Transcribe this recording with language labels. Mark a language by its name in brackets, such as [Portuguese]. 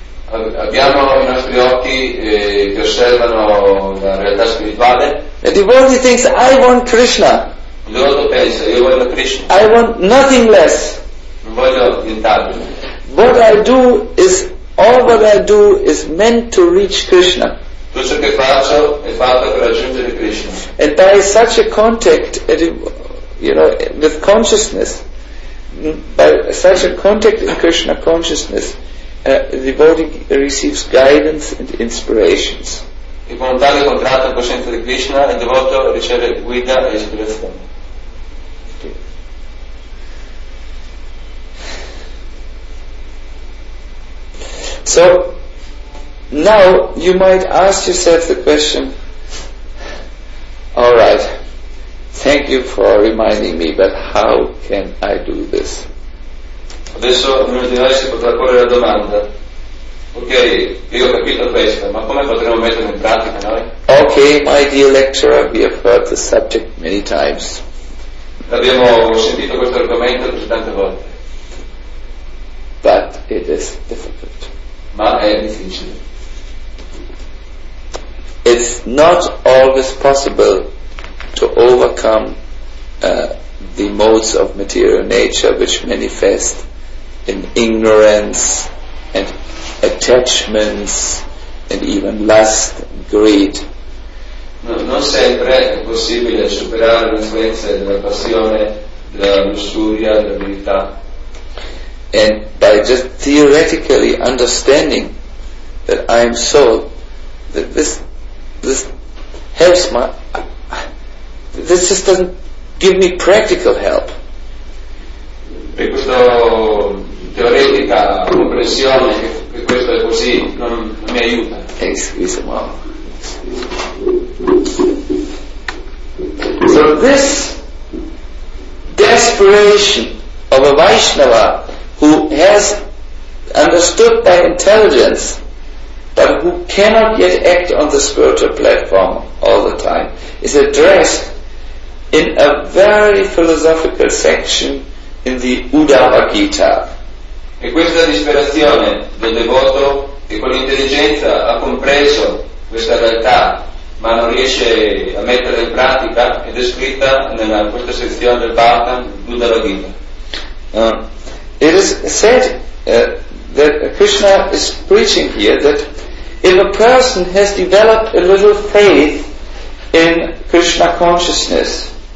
[Italian] Abbiamo i nostri occhi che osservano la realtà spirituale. [English] The devotee thinks, I want Krishna. [Italian] Il devoto pensa, io voglio Krishna. [English] I want nothing less. [Italian] Non voglio nient'altro. [English] What I do is, all what I do is meant to reach Krishna. [Italian] Tutto ciò che faccio è fatto per raggiungere Krishna. [English] And by such a contact, you know, with consciousness, by such a contact in Krishna consciousness, the devotee receives guidance and inspirations. [Italian] E con tale contatto con coscienza di Krishna, il devoto riceve guida e ispirazione. [English] So, now you might ask yourself the question, all right, thank you for reminding me, but how can I do this? [Italian] Adesso ognuno di noi si potrà porre la domanda, ok, io ho capito questo, ma come potremmo metterlo in pratica noi? [English] Ok, my dear lecturer, we have heard the subject many times. [Italian] Abbiamo sentito questo argomento così tante volte. [English] But it is difficult. [Italian] Ma è difficile. [English] It's not always possible to overcome the modes of material nature which manifest in ignorance and attachments and even lust and greed. [Italian] No, non sempre è possibile superare le influenze della passione, della lussuria, dell'abilità. [English] And by just theoretically understanding that I am so, that this helps my, this just doesn't give me practical help. [Italian] Per questa teoretica comprensione che questo è così non mi aiuta. [English] Excuse me. So this desperation of a Vaishnava who has understood by intelligence, but who cannot yet act on the spiritual platform all the time, is addressed in a very philosophical section in the Uddhava Gita. [Italian] E questa disperazione del devoto che con intelligenza ha compreso questa realtà, ma non riesce a metterla in pratica, è descritta nella questa sezione del Bhagavatam, Uddhava Gita. [English] It is said that Krishna is preaching here that if a person has developed a little faith in Krishna consciousness,